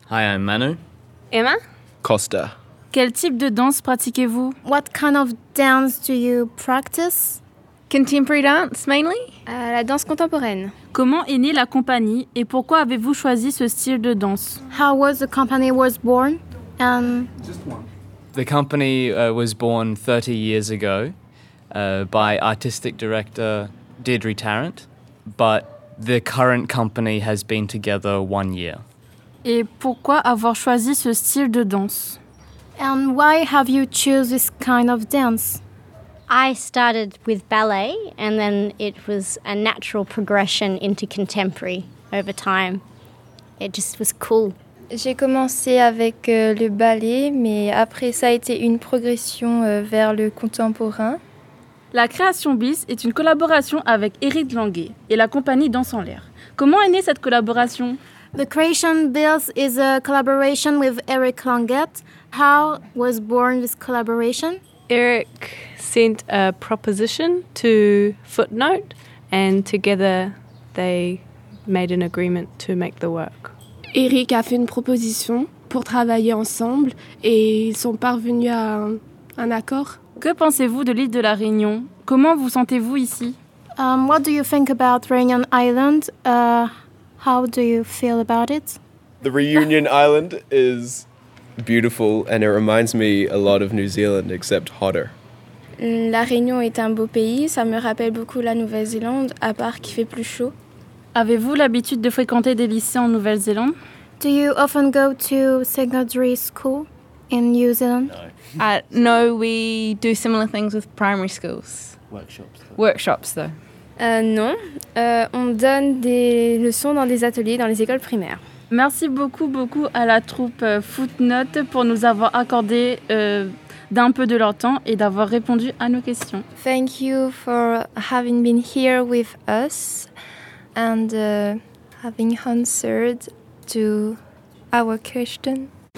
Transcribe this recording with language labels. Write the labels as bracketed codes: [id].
[en] Hi, I'm Manu. Emma. Costa. [fr] Quel type de danse pratiquez-vous ? [en] What kind of dance do you practice ? Contemporary dance, mainly? [fr] La danse contemporaine. Comment est née la compagnie et pourquoi avez-vous choisi ce style de danse? [en] How was the company was born? The company was born 30 years ago by artistic director Deirdre Tarrant, but the current company has been together 1 year. [fr] Et pourquoi avoir choisi ce style de danse? [en] And why have you chosen this kind of dance? I started with ballet and then it was a natural progression into contemporary over time. It just was cool. [fr] J'ai commencé avec le ballet, mais après ça a été une progression vers le contemporain. La création BIS est une collaboration avec Éric Languet et la compagnie Danse en l'air. Comment est née cette collaboration? [en] The creation BIS is a collaboration with Éric Languet. How was born this collaboration? Éric sent a proposition to Footnote and together they made an agreement to make the work. [fr] Éric a fait une proposition pour travailler ensemble et ils sont parvenus à un accord. Que pensez-vous de l'île de la Réunion? Comment vous sentez-vous ici? [en] What do you think about Réunion Island? How do you feel about it? The Réunion Island is beautiful and it reminds me a lot of New Zealand except hotter. [fr] La Réunion est un beau pays, ça me rappelle beaucoup la Nouvelle-Zélande à part qu'il fait plus chaud. Avez-vous l'habitude de fréquenter des lycées en Nouvelle-Zélande? [en] Do you often go to secondary school in New Zealand? No, we do similar things with primary schools. Workshops, though. [fr] Non, on donne des leçons dans des ateliers dans les écoles primaires. Merci beaucoup à la troupe Footnote pour nous avoir accordé d'un peu de leur temps et d'avoir répondu à nos questions. [en] Thank you for having been here with us and having answered to our question.